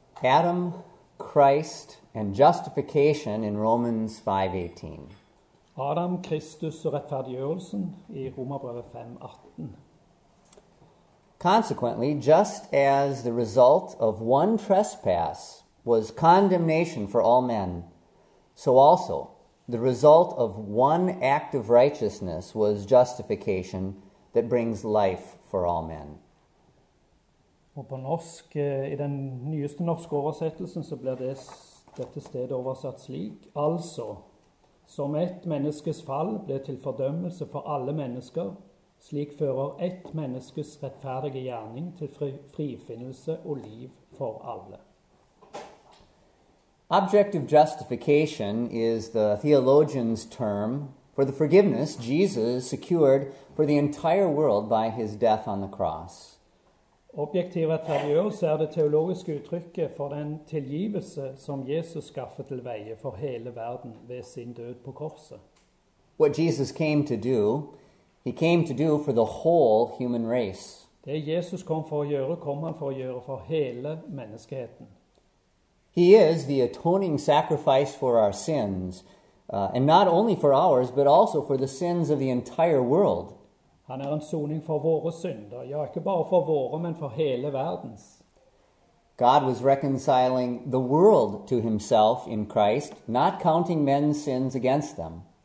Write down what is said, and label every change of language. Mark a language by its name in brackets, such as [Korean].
[English] Adam, Christ, and justification in Romans 5:18. [Norwegian] Adam, Kristus og rettferdiggjørelsen i Romerbrevet 5:18. [English] Consequently, just as the result of one trespass was condemnation for all men, so also the result of one act of righteousness was justification that brings life for all men. [Norwegian] Og på norsk, i den nyeste norske oversettelsen, så blir dette stedet oversatt slik. Altså, som ett menneskes fall ble til fordømmelse for alle mennesker, slik fører ett menneskes rettferdige gjerning til frifinnelse og liv for alle. [English] Objective justification is the theologian's term for the forgiveness Jesus secured for the entire world by his death on the cross. [Norwegian] Objektiv rettferdiggjørelse er det teologiske uttrykket for den tilgivelse som Jesus skaffet til veie for hele verden ved sin død på korset. [English] What Jesus came to do, he came to do for the whole human race. [Norwegian] Det Jesus kom for å gjøre, kom han for å gjøre for hele menneskeheten. [English] He is the atoning sacrifice for our sins, and not only for ours, but also for the sins of the entire world. [Norwegian] Han er en soning for våre synder, ja, ikke bare for våre, men for hele verdens. [English] God was reconciling the world to himself in Christ, not counting men's sins against them.